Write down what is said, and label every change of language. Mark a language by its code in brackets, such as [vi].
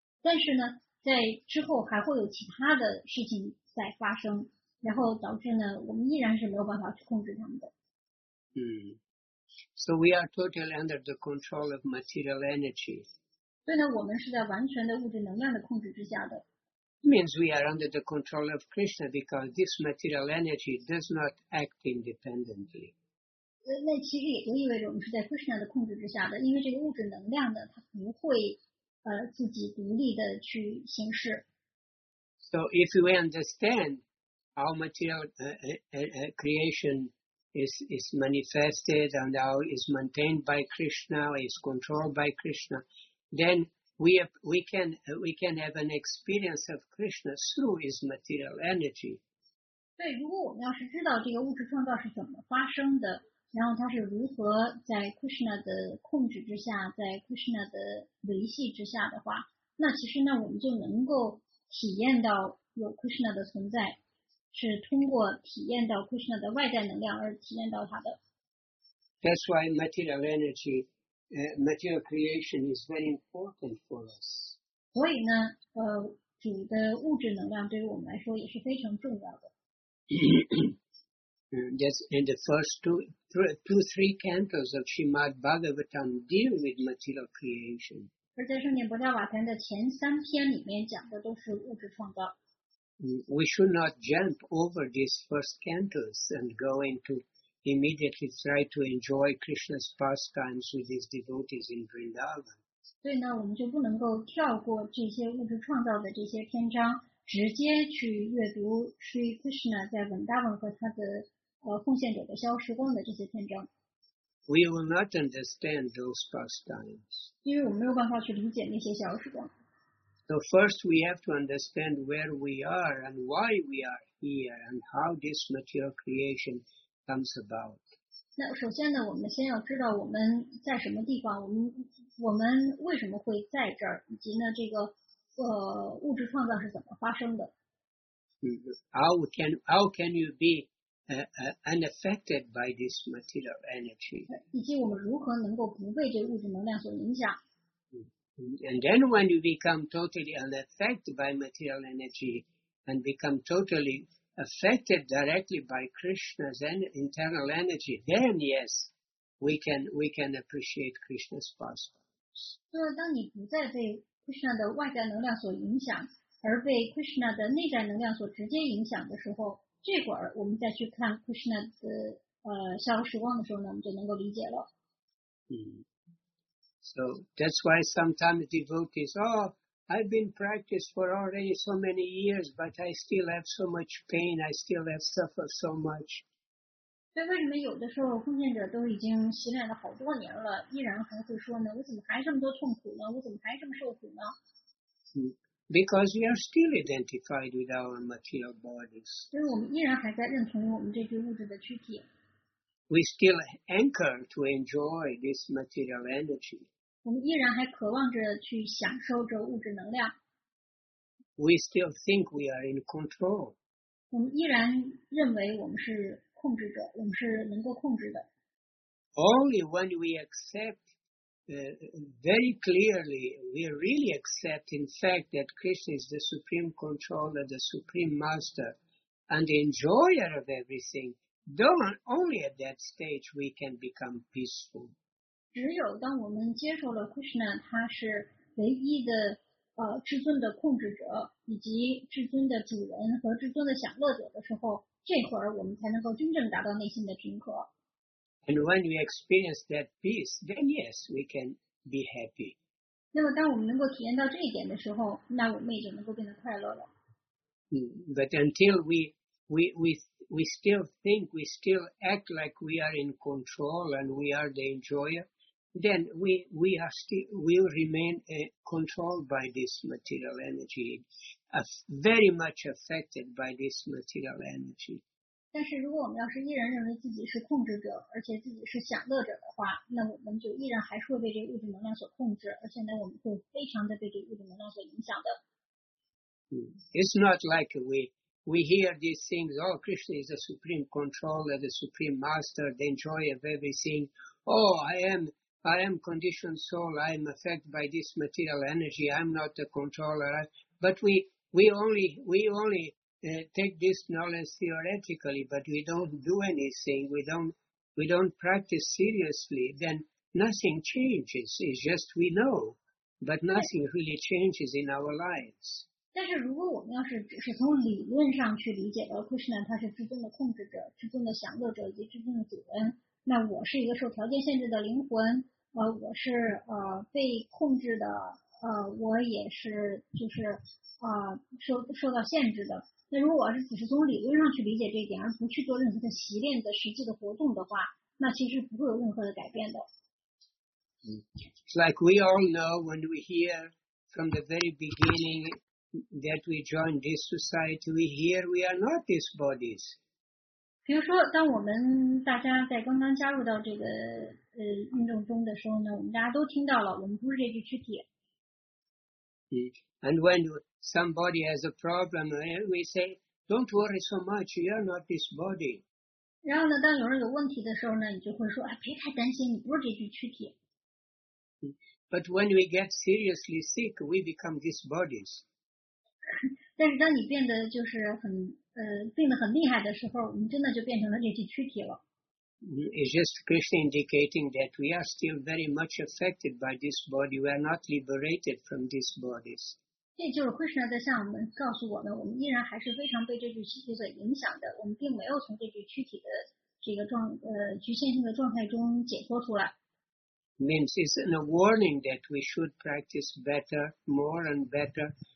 [zh] 但是呢在之后还会有其他的事情在发生，然后导致呢我们依然是没有办法去控制他们的。 [en] 嗯，So we are totally under the control of material energy. [zh] 对呢，我们是在完全的物质能量的控制之下的。 [en] Means we are under the control of Krishna because this material energy does not act independently. [zh] 那其实也就意味着我们是在 Krishna 的控制之下的，因为这个物质能量呢，它不会自己独立的去行事。 [en] So if we understand our material creation. Is manifested and now is maintained by Krishna, is controlled by Krishna, then we can have an experience of Krishna through his material energy. [zh] 对，如果我们要是知道这个物质创造是怎么发生的，然后它是如何在 Krishna 的控制之下，在 Krishna 的维系之下的话，那其实呢，我们就能够体验到有 Krishna 的存在。是通过体验到 Krishna 的外在能量而体验到它的。 [en] That's why material energy, material creation is very important for us. [zh] 所以呢，主的物质能量对于我们来说也是非常重要的。 [en] Yes, and the first two, three cantos of Srimad Bhagavatam deal with material creation. [zh] 而在圣严伯达瓦坛的前三篇里面讲的都是物质创造。 [en] We should not jump over these first cantos and go into immediately try to enjoy Krishna's pastimes with his devotees in Vrindavan. [zh] 对呢，我们就不能够跳过这些物质创造的这些篇章，直接去阅读 Sri Krishna 在 Vrindavan 和他的奉献者的消失光的这些篇章。 [en] We will not understand those pastimes. [zh] 因为我们没有办法去理解那些消失光。 [en] So first we have to understand where we are and why we are here and how this material creation comes about. [zh] 那首先呢，我们先要知道我们在什么地方，我们为什么会在这儿，以及呢这个物质创造是怎么发生的。 [en] How can you be unaffected by this material energy? [zh] 以及我们如何能够不被这物质能量所影响。 [en] And then when you become totally unaffected by material energy and become totally affected directly by Krishna's internal energy, then yes, we can appreciate Krishna's pastimes. [zh] 就是当你不再被 Krishna 的外在能量所影响，而被 Krishna 的内在能量所直接影响的时候，这会儿我们再去看 Krishna 的消失光的时候呢，我们就能够理解了。嗯。 [en] So that's why sometimes devotees, oh, I've been practiced for already so many years, but I still have so much pain, I still have suffered so much. [zh] 所以为什么有的时候奉献者都已经习练了好多年了，依然还会说呢，我怎么还这么多痛苦呢？我怎么还这么受苦呢？ [en] Because we are still identified with our material bodies. [zh] 所以我们依然还在认同我们这具物质的躯体。 [en] We still anchor to enjoy this material energy. [zh] 我们依然还渴望着去享受着物质能量。 [en] We still think we are in control. [zh] 我们依然认为我们是控制者，我们是能够控制的。 [en] Only when we accept very clearly, we really accept in fact that Krishna is the supreme controller, the supreme master, and the enjoyer of everything,Only at that stage we can become peaceful. [zh] 只有当我们接受了 Krishna, 他是唯一的至尊的控制者，以及至尊的主人和至尊的享乐者的时候，这会儿我们才能够真正达到内心的平和。 [en] And when we experience that peace, then yes, we can be happy. [zh] 那么当我们能够体验到这一点的时候，那我们也就能够变得快乐了。 [en] But until we still think, we still act like we are in control and we are the enjoyer, then we will remain controlled by this material energy, very much affected by this material energy. [zh] 但是如果我们要是依然认为自己是控制者，而且自己是享乐者的话，那我们就依然还是会被这个物质能量所控制，而且呢，我们会非常的被这个物质能量所影响的。 [en] It's not like we hear these things, oh, Krishna is the supreme controller, the supreme master, the enjoyer of everything. Oh, I am conditioned soul, I am affected by this material energy, I'm not the controller. But we only take this knowledge theoretically, but we don't do anything, we don't practice seriously, then nothing changes. It's just we know, but nothing really changes in our lives. [zh] 但是如果我们要是只是从理论上去理解了 Krishna 他是至尊的控制者、至尊的享乐者以及至尊的主人，那我是一个受条件限制的灵魂，我是被控制的，我也是就是受到限制的。那如果我是只是从理论上去理解这一点，而不去做任何的习练的实际的活动的话，那其实不会有任何的改变的。 [en] Like we all know when we hear from the very beginning. That we join this society, we hear we are not these bodies. [zh] 比如说，当我们大家在刚刚加入到这个运动中的时候呢，我们大家都听到了，我们不是这具躯体。 [en] And when somebody has a problem, we say, "Don't worry so much. You are not this body." [zh] 然后呢，当有人有问题的时候呢，你就会说，哎，别太担心，你不是这具躯体。 [en] But when we get seriously sick, we become these bodies. [zh] 但是当你变得就是很病得很厉害的时候，你真的就变成了这具躯体了。 [en] It's just Krishna indicating that we are still very much affected by this body. We are not liberated from these bodies. [zh] 这就是 Krishna 在向我们告诉我们，我们依然还是非常被这具躯体所影响的。我们并没有从这具躯体的这个局限性的状态中解脱出来。 [en] Means it's a warning that we should practice better, more and better.